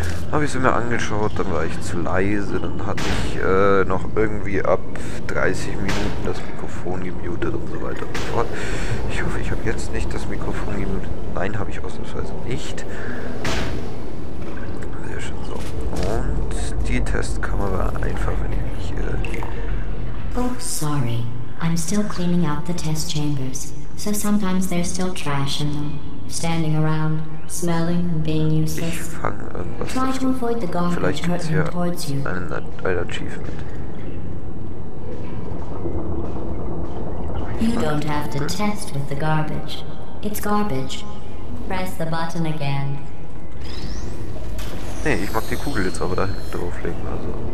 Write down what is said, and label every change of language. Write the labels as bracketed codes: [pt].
[de] Habe ich sie mir angeschaut, dann war ich zu leise, dann hatte ich noch irgendwie ab 30 Minuten das Mikrofon gemutet und so weiter und so fort. Ich hoffe, ich habe jetzt nicht das Mikrofon gemutet. Nein, habe ich ausnahmsweise nicht. Sehr schön, so. Und die Testkamera einfach, wenn ich mich irre. [en] Oh, sorry. I'm still cleaning out the test chambers. So sometimes there's still trash in them. Standing around, smelling and being useless. [de] Ich fang irgendwas. [en] Try to avoid the garbage hurtling towards you. [de] Ein Achievement. [en] You don't have to test with the garbage. It's garbage. Press the button again. [de] Nee, ich mag die Kugel jetzt aber da hinten drauflegen, also.